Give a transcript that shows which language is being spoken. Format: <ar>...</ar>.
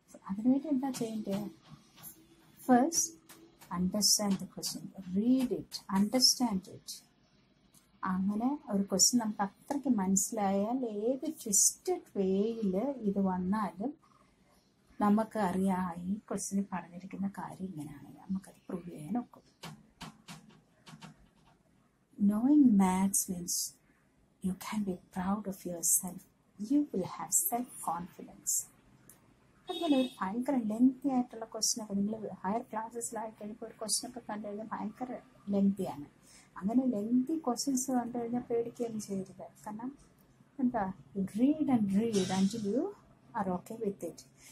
<ml>അതിനുവേണ്ടി എന്താ ചെയ്യേണ്ടത്?</ml> <en>First understand the question, read it, understand it.</en> <ml>അങ്ങനെ ഒരു ക്വസ്റ്റ്യൻ നമുക്ക് അത്രയ്ക്ക് മനസ്സിലായാൽ ഏത് ട്വിസ്റ്റഡ് വേയിൽ ഇത് വന്നാലും നമുക്ക് അറിയാം ഈ ക്വസ്റ്റ്യൻ പറഞ്ഞിരിക്കുന്ന കാര്യം ഇങ്ങനെയാണ്, നമുക്കത് പ്രൂവ് ചെയ്യാനൊക്കെ.</ml> <en>Knowing maths means you can be proud of yourself. You will have self-confidence.</en> <ml>അതുപോലെ ഒരു ഭയങ്കര ലെങ്തി ആയിട്ടുള്ള ക്വസ്റ്റൻ ഒക്കെ നിങ്ങൾ ഹയർ ക്ലാസ്സസിലായി കഴിയുമ്പോൾ ഒരു ക്വസ്റ്റൻ ഒക്കെ കണ്ടു കഴിഞ്ഞാൽ ഭയങ്കര ലെങ്തിയാണ്. അങ്ങനെ ലെങ്തി ക്വസ്റ്റൻസ് കണ്ടു കഴിഞ്ഞാൽ പേടിക്കുകയൊന്നും ചെയ്യരുത്. കാരണം എന്താ,</ml> <en>Read and read and you are okay with it.</en>